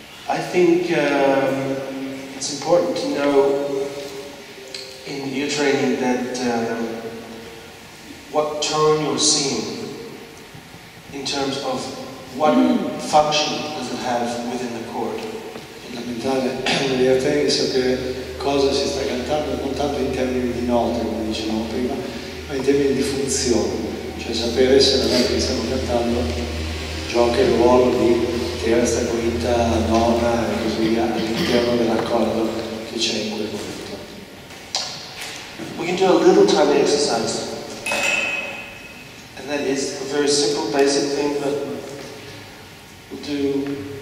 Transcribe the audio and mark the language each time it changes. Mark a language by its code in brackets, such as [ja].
[en] I think it's important to know in ear training that what tone you're seeing. In terms of what function does it have within the chord? [it] Fondamentale nel training so che cosa si sta cantando non tanto in termini di note, come dicevamo prima, ma in termini di funzione, cioè sapere se la nota che stiamo cantando gioca il ruolo di terza, quinta, nona e così via all'interno dell'accordo che c'è in quel momento. [en] We can do a little tiny exercise. That is a very simple, basic thing, but we'll do.